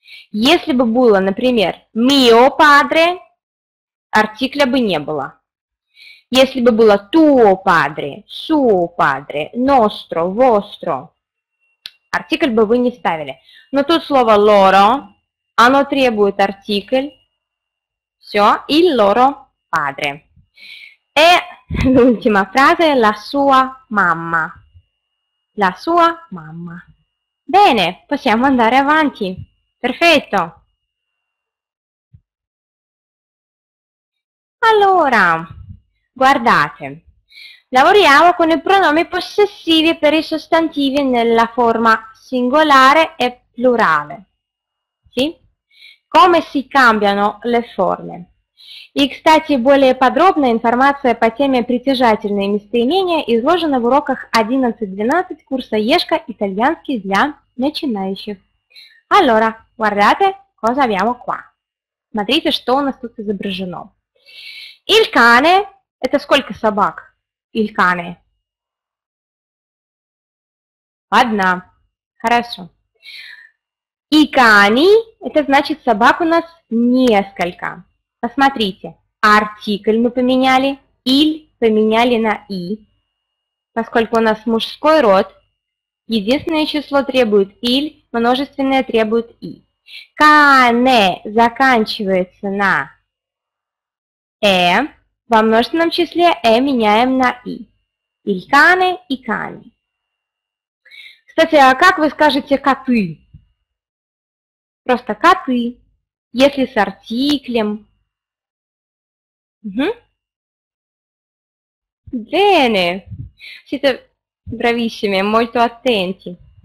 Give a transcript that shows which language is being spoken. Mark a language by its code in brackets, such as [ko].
[ru] Если бы было, например, [it] mio padre, [ru] артикля бы не было. Если бы было [it] tuo padre, suo padre, nostro, vostro, [ru] артикль бы вы не ставили. Но тут слово loro, оно требует артикль. [it] Все, il loro padre. E l'ultima frase, la sua mamma. La sua mamma. Bene, possiamo andare avanti. Perfetto. Allora, guardate. Lavoriamo con i pronomi possessivi per i sostantivi nella forma singolare e plurale. Sì? Come si cambiano le forme? [ru] И, кстати, более подробная информация по теме «Притяжательные местоимения» изложена в уроках 11-12 курса ЕШКА «Итальянский для начинающих». [it] Allora, guardate cosa abbiamo qua. [ru] Смотрите, что у нас тут изображено. [it] Il cane [ru] – это сколько собак? [it] Il cane. [ru] Одна. Хорошо. И cani – это значит собак у нас несколько. Посмотрите, артикль мы поменяли, иль поменяли на и, поскольку у нас мужской род, единственное число требует иль, множественное требует и. Кане заканчивается на э, во множественном числе э меняем на и. [it] Иль кане и кане. [ru] Кстати, а как вы скажете коты? Просто коты, если с артиклем. [it] Bene, siete bravissime, molto attenti.